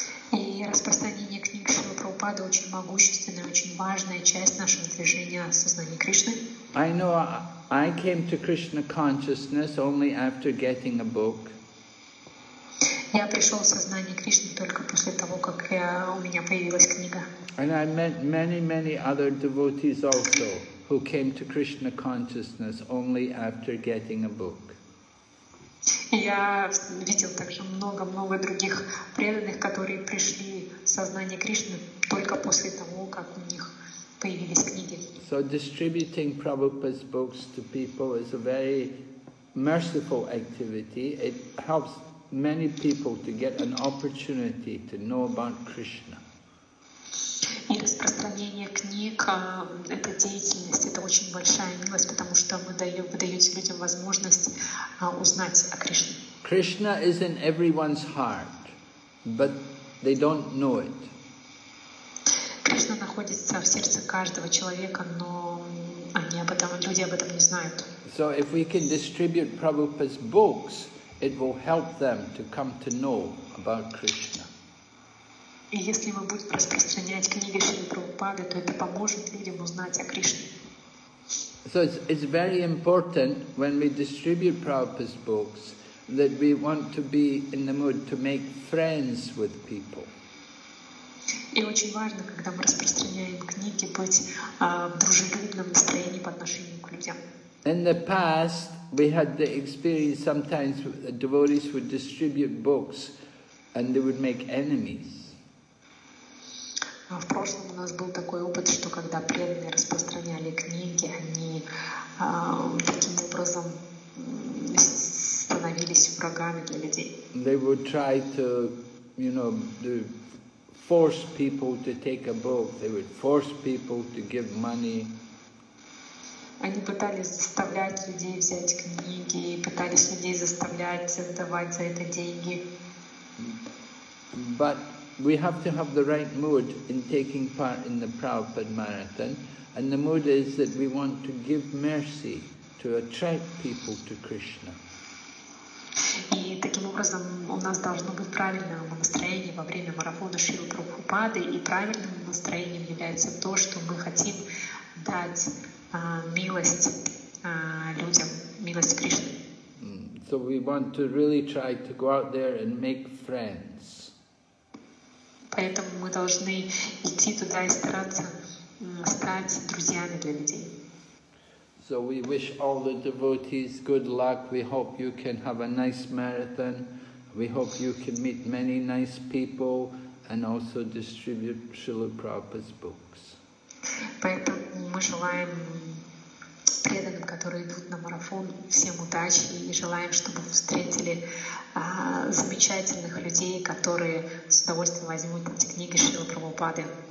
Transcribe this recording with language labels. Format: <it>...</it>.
<ru>И распространение книг Шрилы Прабхупады очень могущественная, очень важная часть нашего движения сознания Кришны.</ru> <en>I know I came to Krishna consciousness only after getting a book.</en> <ru>Я пришел в сознание Кришны только после того, как у меня появилась книга.</ru> <en>And I met many, many other devotees also who came to Krishna consciousness only after getting a book.</en> <ru>Я видел также много-много других преданных, которые пришли в сознание Кришны только после того, как у них появились книги.</ru> <en>So distributing Prabhupada's books to people is a very merciful activity. It helps many people to get an opportunity to know about Krishna.</en> <ru>И распространение книг — это деятельность, это очень большая милость, потому что вы даете людям возможность узнать о Кришне.</ru> <en>Krishna is in everyone's heart, but they don't know it.</en> <ru>Кришна находится в сердце каждого человека, но люди об этом не знают.</ru> <en>So if we can distribute Prabhupada's books, it will help them to come to know about Krishna.</en> <ru>И если мы будем распространять книги Шрилы Прабхупады, то это поможет людям узнать о Кришне.</ru> <en>So it's very important when we distribute Prabhupada's books that we want to be in the mood to make friends with people.</en> <ru>И очень важно, когда мы распространяем книги, быть в дружелюбном настроении по отношению к людям.</ru> <en>In the past, we had the experience sometimes devotees would distribute books and they would make enemies.</en> <ru>В прошлом у нас был такой опыт, что когда преданные распространяли книги, они таким образом становились врагами для людей.</ru> <en>They would try to, you know, force people to take a book. They would force people to give money.</en> <ru>Они пытались заставлять людей взять книги, пытались людей заставлять давать за это деньги.</ru> <en>But we have to have the right mood in taking part in the Prabhupada Marathon, and the mood is that we want to give mercy to attract people to Krishna.</en> <ru>И таким образом у нас должно быть правильное настроение во время марафона Шрилы Прабхупады, и правильным настроением является то, что мы хотим дать милость людям, милость Кришне.</ru> <en>So we want to really try to go out there and make friends.</en> <ru>Поэтому мы должны идти туда и стараться стать друзьями для людей.</ru> <en>So we wish all the devotees good luck. We hope you can have a nice marathon. We hope you can meet many nice people and also distribute Srila Prabhupada's books.</en> <ru>Поэтому мы желаем преданным, которые идут на марафон, всем удачи и желаем, чтобы вы встретили замечательных людей, которые с удовольствием возьмут эти книги Шрилы Прабхупады.</ru>